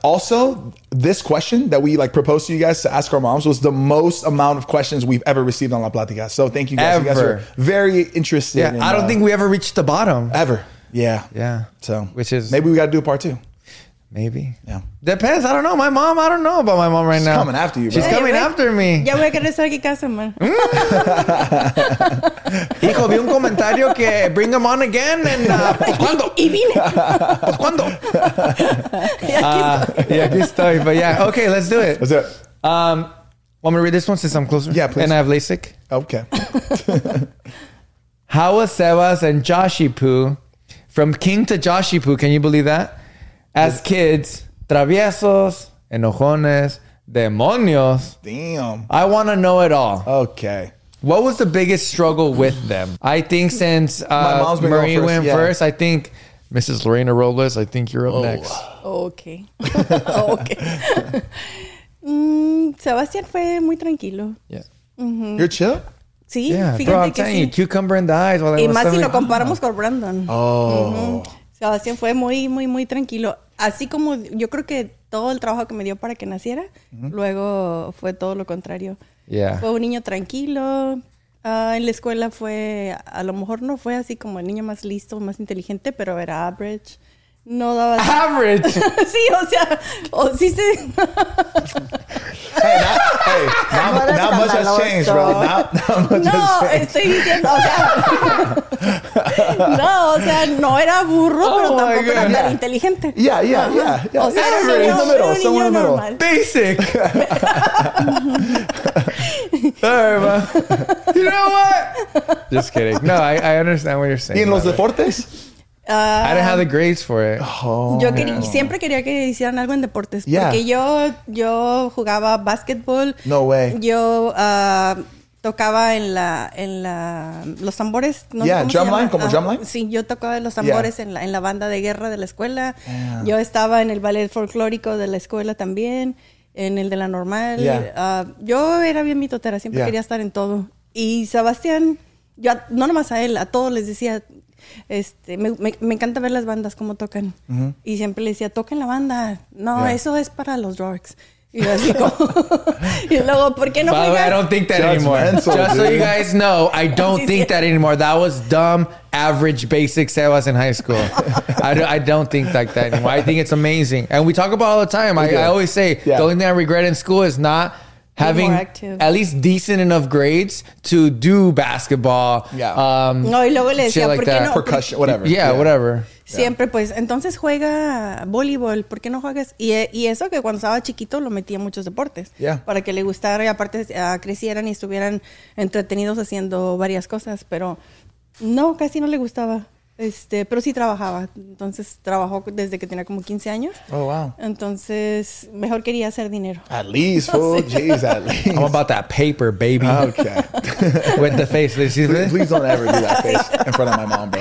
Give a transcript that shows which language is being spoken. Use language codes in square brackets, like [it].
[en] Also, this question that we like proposed to you guys to ask our moms was the most amount of questions we've ever received on La Platica. So thank you guys. Ever. You guys are very interested. Yeah, I don't think we ever reached the bottom. Ever. Yeah. Yeah. So which is maybe we got to do a part two. Maybe. Yeah. Depends. I don't know. My mom, I don't know about my mom She's coming after you, bro. She's coming after me. [es] Ya voy a querer estar aquí casa, man. Hijo, vi un comentario que [en] bring him on again and [es] ¿cuándo? Y vine. ¿Pues cuándo? aquí estoy. [en] But yeah, okay, let's do it. Let's do it. Want me to read this one since I'm closer? Yeah, please. And I have LASIK. Okay. How was Sebas and Joshy Poo from King to Joshy Poo? Can you believe that? As kids, [es] traviesos, enojones, demonios. [en] Damn. I want to know it all. Okay. What was the biggest struggle with them? I think since Marie went first, I think Mrs. Lorena Robles, I think you're up next. Okay. Okay. [es] Sebastián fue muy tranquilo. [en] Yeah. Mm-hmm. You're chill? [es] Sí, [en] yeah, [es] fíjate [en] bro, I'm telling you, cucumber in the eyes. [es] Y más si lo comparamos con Brandon. Oh. Mm-hmm. Sebastián fue muy, muy, muy tranquilo. Así como yo creo que todo el trabajo que me dio para que naciera, luego fue todo lo contrario. [en] Yeah. [es] Fue un niño tranquilo. En la escuela fue, a lo mejor no fue así como el niño más listo, más inteligente, pero era average. No daba... ¿Average? Sí, o sea... sí. [en] Hey, not much has changed, bro. [es] Estoy diciendo, o sea... no, o sea, no era burro, pero tampoco era tan inteligente. [en] Yeah. [es] O sea, average. Era un niño, [en] somewhere [es] niño normal. [en] Basic. All right, man. You know what? Just kidding. No, I understand what you're saying. [es] ¿Y en los deportes? [en] I didn't have the grades for it. [es] Siempre quería que hicieran algo en deportes. Yeah. Porque yo jugaba basketball. [en] No way. [es] Yo tocaba en la los tambores. No yeah, drumline, como drumline. Sí, yo tocaba los tambores en la banda de guerra de la escuela. Yeah. Yo estaba en el ballet folclórico de la escuela también, en el de la normal. [en] Yeah. [es] Yo era bien mitotera, siempre quería estar en todo. Y Sebastián, yo no nomás a él, a todos les decía... me encanta ver las bandas cómo tocan. Uh-huh. Y siempre le decía, toquen la banda. No, eso es para los drugs. Y yo así como... y luego, ¿por qué no juegas? [en] I don't think that anymore. Mental, just dude. So you guys know, I don't think that anymore. That was dumb, average, basic Sebas in high school. I don't think like that anymore. I think it's amazing. And we talk about it all the time. I always say, the only thing I regret in school is not... having at least decent enough grades to do basketball. Yeah. [es] No, y luego le decía, like ¿por qué no? [en] Percussion, whatever. Yeah, whatever. [es] Siempre, pues, entonces juega voleibol, ¿por qué no juegas? Y eso que cuando estaba chiquito lo metía en muchos deportes. [en] Yeah. [es] Para que le gustara y aparte crecieran y estuvieran entretenidos haciendo varias cosas. Pero no, casi no le gustaba. Pero sí trabajaba. Entonces trabajó desde que tenía como 15 años. [en] Oh, wow. [es] Entonces mejor quería hacer dinero. [en] At least, oh, jeez, at least. I'm about that paper, baby. Okay. With the face. Please, please don't ever do that face in front of my mom, bro.